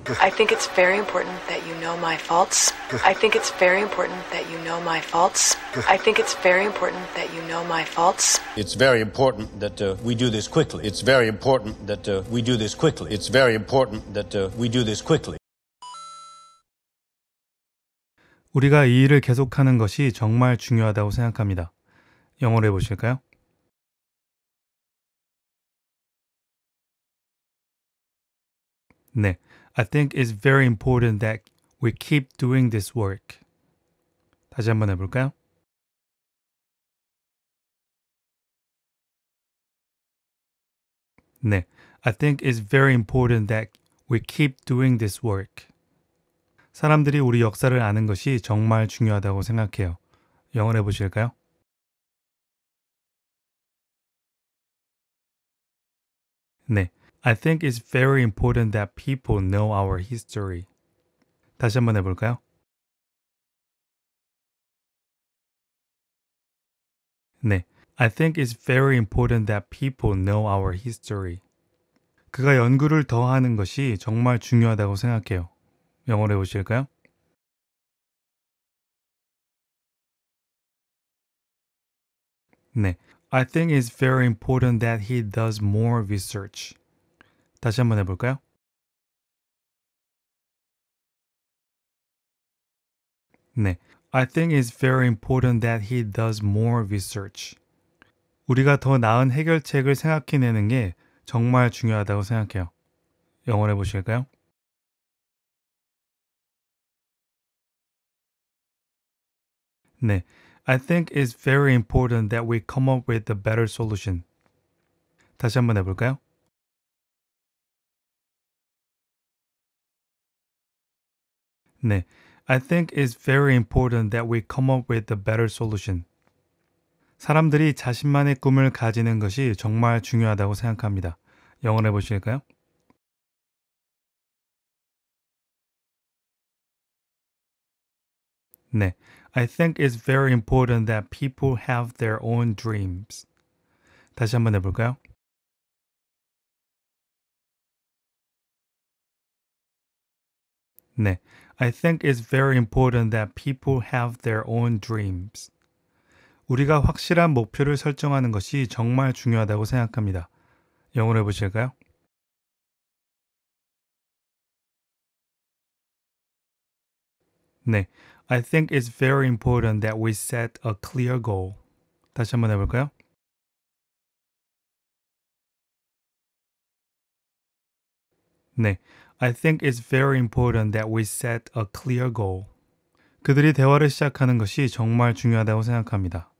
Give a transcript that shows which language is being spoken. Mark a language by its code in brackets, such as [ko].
[en] I think it's very important that you know my faults. I think it's very important that you know my faults. I think it's very important that you know my faults. It's very important that we do this quickly. It's very important that we do this quickly. It's very important that we do this quickly. [ko] 우리가 이 일을 계속하는 것이 정말 중요하다고 생각합니다. 영어로 해보실까요? [en] I think it's very important that we keep doing this work. [ko] 다시 한번 해볼까요? [en] I think it's very important that we keep doing this work. [ko] 사람들이 우리 역사를 아는 것이 정말 중요하다고 생각해요. 영어로 해보실까요? [en] I think it's very important that people know our history. [ko] 다시 한번 해볼까요? [en] I think it's very important that people know our history. [ko] 그가 연구를 더 하는 것이 정말 중요하다고 생각해요. 영어로 해보실까요? [en] I think it's very important that he does more research. [ko] 다시 한번 해볼까요? [en] I think it's very important that he does more research. [ko] 우리가 더 나은 해결책을 생각해내는 게 정말 중요하다고 생각해요. 영어로 해보실까요? [en] I think it's very important that we come up with a better solution. [ko] 다시 한번 해볼까요? [en] I think it's very important that we come up with a better solution. [ko] 사람들이 자신만의 꿈을 가지는 것이 정말 중요하다고 생각합니다. 영어로 해보실까요? [en] I think it's very important that people have their own dreams. [ko] 다시 한번 해볼까요? [en] I think it's very important that people have their own dreams. [ko] 우리가 확실한 목표를 설정하는 것이 정말 중요하다고 생각합니다. 영어로 해보실까요? [en] I think it's very important that we set a clear goal. [ko] 다시 한번 해볼까요? [en] I think it's very important that we set a clear goal. [ko] 그들이 대화를 시작하는 것이 정말 중요하다고 생각합니다.